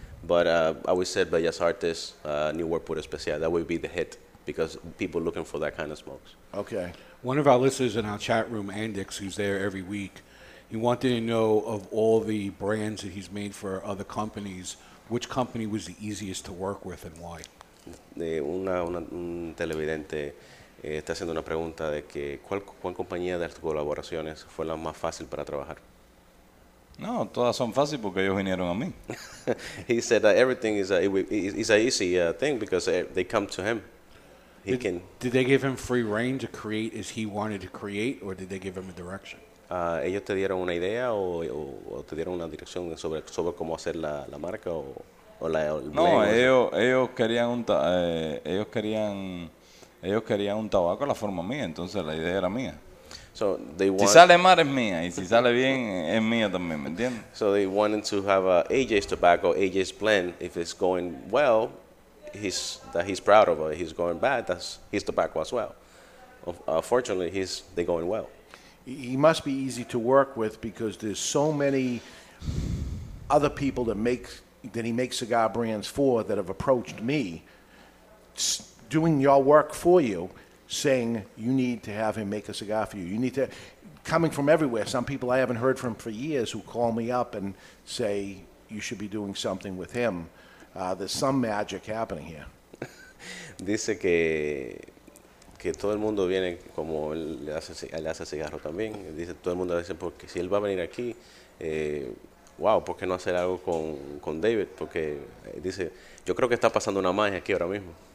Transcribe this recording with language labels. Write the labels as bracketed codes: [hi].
[en] But I always said Bellas Artes, Newport Puerto Especial, that would be the hit because people are looking for that kind of smokes. Okay. One of our listeners in our chat room, Andix, who's there every week, he wanted to know of all the brands that he's made for other companies, which company was the easiest to work with and why? [es] Un televidente está haciendo una pregunta de que cuál compañía de tus colaboraciones fue la más fácil para trabajar. No, todas son fáciles porque ellos vinieron a mí. [en] He said that everything is an easy thing because they come to him. Did they give him free reign to create as he wanted to create, or did they give him a direction? [es] Ellos te dieron una idea o te dieron una dirección sobre cómo hacer la marca o el blend. No, ellos querían un tabaco a la forma mía, entonces la idea era mía. [en] So they want, [es] si sale mal es mía y si sale bien es mía también, ¿me entiendes? [en] So they wanted to have a AJ's tobacco, AJ's blend. If it's going well, he's proud of it. He's going bad, that's his tobacco as well. Unfortunately, they're going well. He must be easy to work with because there's so many other people that he makes cigar brands for that have approached me doing your work for you, saying you need to have him make a cigar for you. You need to, coming from everywhere, some people I haven't heard from for years who call me up and say you should be doing something with him. There's some magic happening here. [es] Dice que todo el mundo viene como le hace cigarro también. Dice todo el mundo dice porque si él va a venir aquí, wow, ¿por qué no hacer algo con David? Porque dice, yo creo que está pasando una magia aquí ahora mismo.